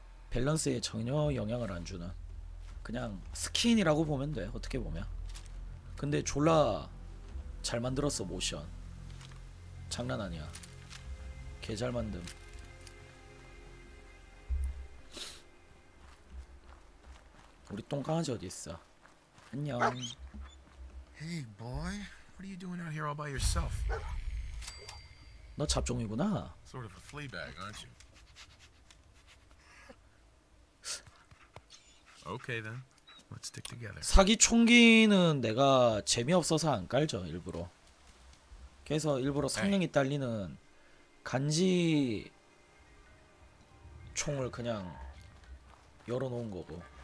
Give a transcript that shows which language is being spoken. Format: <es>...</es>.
<ko>밸런스에 전혀 영향을 안 주는 그냥 스킨이라고 보면 돼, 어떻게 보면. 근데 졸라 잘 만들었어. 모션 장난 아니야. 개 잘 만듦. 우리 똥강아지 어디 있어? 안녕.</ko> <en>Hey boy, what are you doing out here all by yourself?</en> <ko>너 잡종이구나.</ko> <en>Sort of a flea bag, aren't you? Okay then, let's stick together.</en> <ko>사기 총기는 내가 재미 없어서 안 깔죠, 일부러. 그래서 일부러 성능이 딸리는 간지 총을 그냥 열어놓은 거고.</ko>